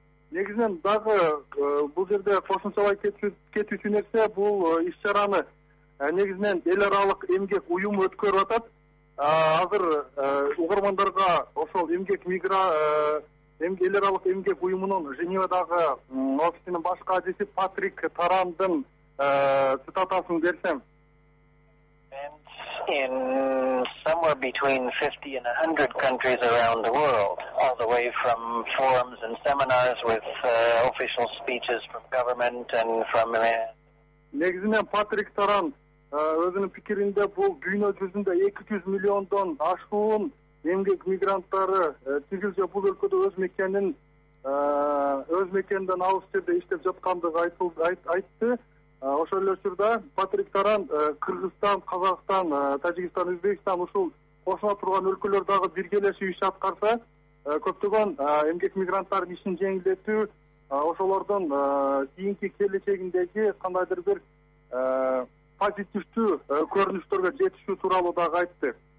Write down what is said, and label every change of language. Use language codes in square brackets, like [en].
[ky] Негизинен дагы бул жерде кошумчалай кетүүчү нерсе, бул иш чараны негизинен эл аралык эмгек уюму өткөрүп атат. Азыр угармандарга ошол эмгек эл аралык эмгек уюмунун Женевадагы офисинин баш каажиси Патрик Тарандын цитатасын берсем. [en] In somewhere between 50 and 100 countries around the world, all the way from forums and seminars with official speeches from government and from [ky] Негизинен Патрик Таран өзүнүн пикиринде бул дүйнө жүзүндө 200 миллиондон ашуун эмгек мигранттары тигилже бул өлкөдө өз мекенден алыс жерде иштеп жаткандыгы айтты. Ошол эле учурда Патрик Таран Кыргызстан, Казакстан, Тажикстан, Өзбекстан ушул кошуна турган өлкөлөр дагы биргелешип иш аткарса, көптөгөн эмгек мигранттардын ишин жеңилдетүү, ошолордун кийинки келечегиндеги кандайдыр бир позитивдүү көрүнүштөргө жетишүү тууралуу дагы айтты.